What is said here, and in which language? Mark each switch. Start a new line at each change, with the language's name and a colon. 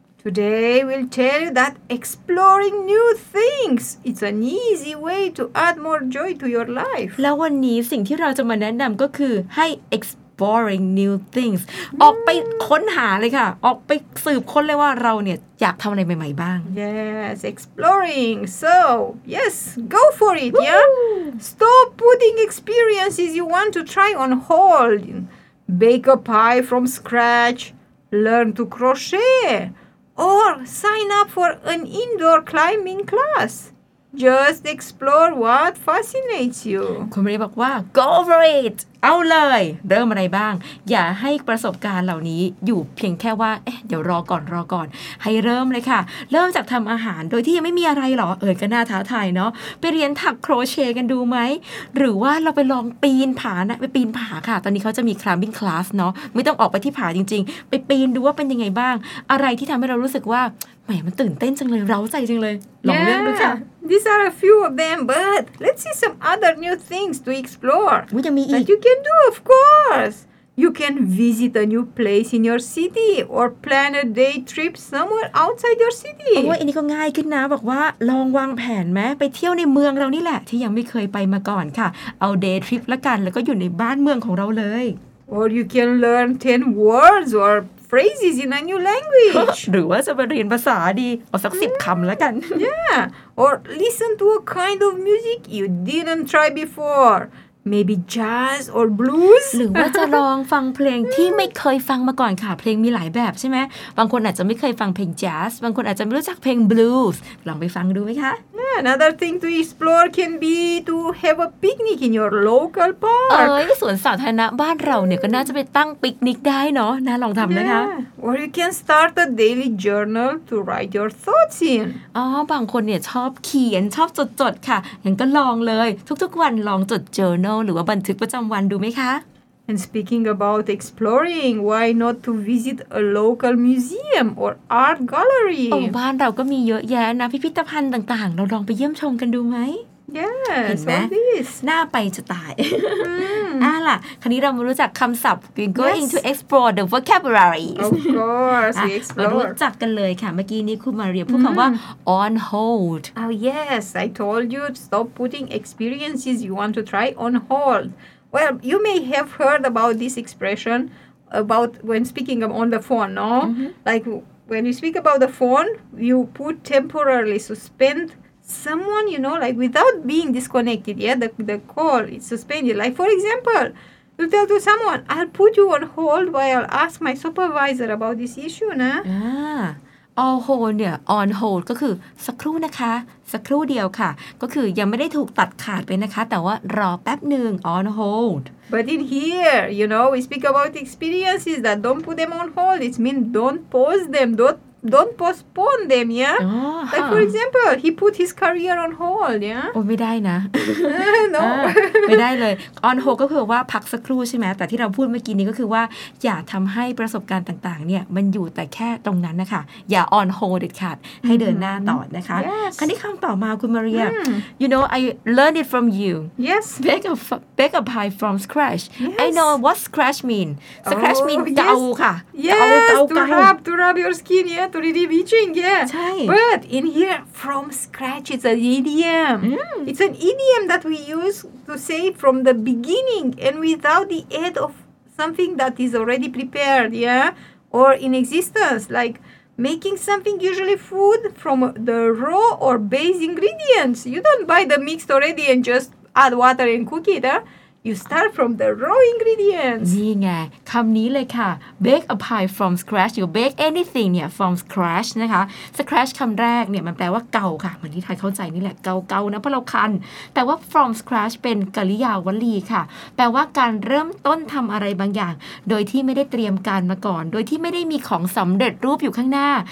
English: Today we'll tell you that exploring new things it's an easy way to add more joy to your life.
Thai: แล้ววันนี้สิ่งที่เราจะมาแนะนำก็คือให้
English: exploring new things
Thai: ออกไปค้นหาเลยค่ะออกไปสืบค้นเลยว่าเราเนี่ยอยากทำอะไรใหม่ๆบ้าง
English: Yes, exploring. So, yes, go for it, Woo! Yeah? Stop putting experiences you want to try on hold. Bake a pie from scratch. Learn to crochet.Or sign up for an indoor climbing class. Just explore what fascinates you.
Thai: คุณมารีบอกว่า
English: go for it
Thai: เอาเลยเริ่มอะไรบ้างอย่าให้ประสบการณ์เหล่านี้อยู่เพียงแค่ว่าเอ๊ะเดี๋ยวรอก่อนรอก่อนให้เริ่มเลยค่ะเริ่มจากทำอาหารโดยที่ยังไม่มีอะไรหรอเอ๋ยก็น่าท้าทายเนาะไปเรียนถักโครเชต์กันดูไหมหรือว่าเราไปลองปีนผานะไปปีนผาค่ะตอนนี้เขาจะมี climbing class เนาะไม่ต้องออกไปที่ผาจริงๆไปปีนดูว่าเป็นยังไงบ้างอะไรที่ทำให้เรารู้สึกว่าแหมมันตื่นเต้นจังเลยเร้าใจจังเลยลอง
English: yeah,
Thai: เรื่องดูค่ะ
English: These are a few of them but let's see some other new things to explore
Thai: ว่ายังมีอีก
English: That you can do of course You can visit a new place in your city or plan a day trip somewhere outside your city
Thai: โอ้ยอันนี้ก็ง่ายขึ้นนะบอกว่าลองวางแผนไหมไปเที่ยวในเมืองเรานี่แหละที่ยังไม่เคยไปมาก่อนค่ะเอา day trip ละกันแล้วก็อยู่ในบ้านเมืองของเราเลย
English: Or you can learn 10 words orPhrases in a new language.
Thai: หรือว่าจะไปเรียนภาษาดีเอาสัก10คำแล้วกัน
English: Yeah. Or listen to a kind of music you didn't try before. Maybe jazz or blues.
Thai: หรือว่าจะลองฟังเพลงที่ไม่เคยฟังมาก่อนค่ะเพลงมีหลายแบบใช่ไหมบางคนอาจจะไม่เคยฟังเพลงแจ๊สบางคนอาจจะไม่รู้จักเพลง blues. ลองไปฟังดูไหมคะ
English: Yeah. Another thing to explore can be to have a picnic in your local park.
Thai: สวนสาธารณะบ้านเราเนี่ยก็น่าจะไปตั้งปิกนิกได้เนาะน่าลองทำ
English: yeah.
Thai: นะคะ
English: Or you can start a daily journal to write your thoughts in.
Thai: บางคนเนี่ยชอบเขียนชอบจดๆค่ะงั้นก็ลองเลยทุกๆวันลองจด journal หรือว่าบันทึกประจำวันดูไหมคะ
English: And speaking about exploring, why not to visit a local museum or art gallery?
Thai: บ้านเราก็มีเยอะแยะนะพิพิธภัณฑ์ต่างๆเราลองไปเยี่ยมชมกันดูไหม
English: Yes, all these.
Thai: หน้าไปจะตาย ล่ะคราวนี้เรามารู้จักคำศัพท์
English: We're going to explore the vocabulary Of course, we explore
Thai: รู้จักกันเลยค่ะเมื่อกี้นี้คุณมาเรียกพูดคำว่า on hold
English: Oh yes, I told you to stop putting experiences you want to try on hold Well, you may have heard about this expression about when speaking on the phone, no? Like when you speak about the phone, you put temporarily suspend someone, you know, like without being disconnected, yeah, the call is suspended. Like, for example, you tell to someone, I'll put you on hold while I ask my supervisor about this issue, nah?
Thai: All hold เนี่ย on hold ก็คือสักครู่นะคะสักครู่เดียวค่ะก็คือยังไม่ได้ถูกตัดขาดไปนะคะแต่ว่ารอแป๊บหนึ่ง on hold
English: but in here you know we speak about experiences that don't put them on hold it means don't pause them don't postpone them yeah uh-huh. like for example he put his career on hold yeah
Thai: โอ้ไม่ได้นะ
English: no
Thai: ไม่ได้เลย on hold ก็คือว่าพักสักครู่ใช่ไหมแต่ที่เราพูดเมื่อกี้นี้ก็คือว่าอย่าทำให้ประสบการณ์ต่างๆเนี่ยมันอยู่แต่แค่ตรงนั้นนะคะอย่า on hold เด็ดขาดให้เดินหน้าต่อนะคะคราวนี้คำต่อมาคุณมาเรีย
English: you know I learned it from you yes bake a pie from scratch yes. I know what scratch mean scratch mean เกาค่ะ เกา to rub your skin yeah to really reaching yeah
Thai: ใช่
English: but in here from scratch it's an idiom it's an idiom that we use to say from the beginning and without the aid of something that is already prepared yeah or in existence like making something usually food from the raw or base ingredients you don't buy the mixed already and just add water and cook it huh? you start from the raw ingredients
Thai: นี่ไงคำนี้เลยค่ะ
English: bake a pie from scratch you bake anything
Thai: เนี่ย from scratch นะคะ scratch คำแรกเนี่ยมันแปลว่าเก่าค่ะเหมือนที่ไทยเข้าใจนี่แหละเก่าๆนะเพราะเราคันแต่ว่า from scratch เป็นกริยาวลีค่ะแปลว่าการเริ่มต้นทำอะไรบางอย่างโดยที่ไม่ได้เตรียมการมาก่อนโดยที่ไม่ได้มีของสำเร็จรูปอยู่ข้างหน้า